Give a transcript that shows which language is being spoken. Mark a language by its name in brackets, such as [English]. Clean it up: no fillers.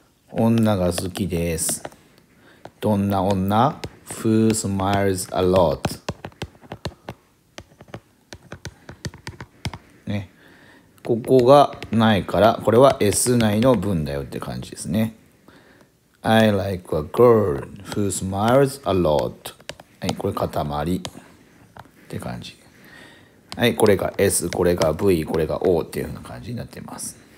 [Japanese] 女が好きです。どんな女? [English] Who smiles a lot? [Japanese] ね、ここがないから、これは S 内の文だよって感じですね。 [English] I like a girl who smiles a lot. [Japanese] はい、これ塊って感じ。はい、これが S、これが V、これが O っていうような感じになっています。